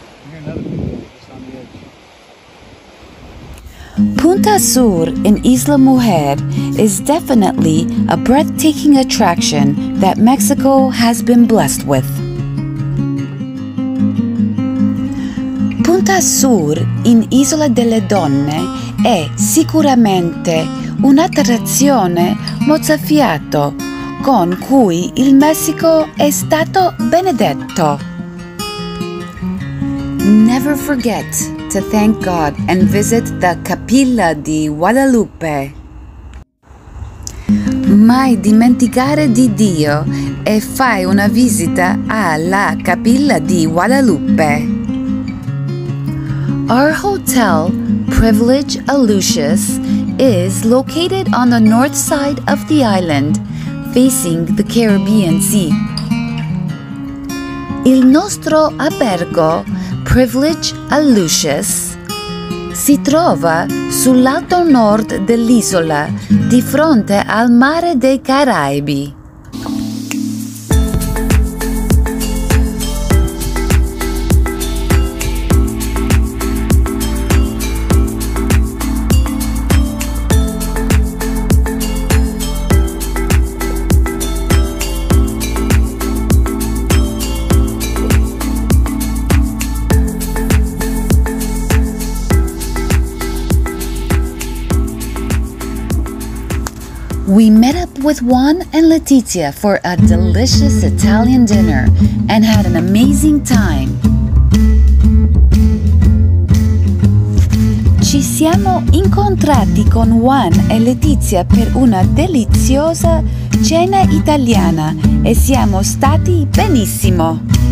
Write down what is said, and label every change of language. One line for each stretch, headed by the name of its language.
English: You're another big guy just on the edge. Punta Sur in Isla Mujer is definitely a breathtaking attraction that Mexico has been blessed with.
Italian: Punta Sur in Isla delle Donne è sicuramente un'attrazione mozzafiato con cui il Messico è stato benedetto.
English: Never forget to thank God and visit the Capilla di Guadalupe.
Italian: Mai dimenticare di Dio e fai una visita alla Capilla di Guadalupe.
English: Our hotel, Privilege Aleutius, is located on the north side of the island, facing the Caribbean Sea.
Italian: Il nostro albergo Privilege Aleutius si trova sull'alto nord dell'isola, di fronte al Mare dei Caraibi.
English: We met up with Juan and Letizia for a delicious Italian dinner and had an amazing time.
Italian: Ci siamo incontrati con Juan e Letizia per una deliziosa cena italiana e siamo stati benissimo.